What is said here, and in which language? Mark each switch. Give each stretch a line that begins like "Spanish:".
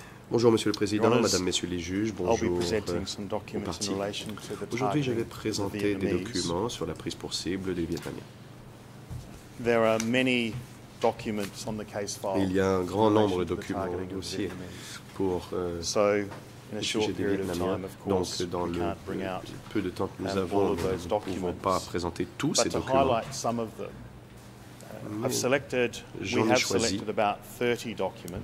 French: Bonjour, Monsieur le Président, Madame, Messieurs les Juges, bonjour aux parties. Aujourd'hui, je vais présenter des documents sur la prise pour cible des Vietnamiens.
English: There are many documents on the case file.
French: Il y a un grand nombre de documents au dossier pour le sujet des Vietnamiens. Donc, dans le peu de temps que nous avons, nous ne pouvons pas présenter tous ces documents.
English: I've selected, we have selected about 30 documents.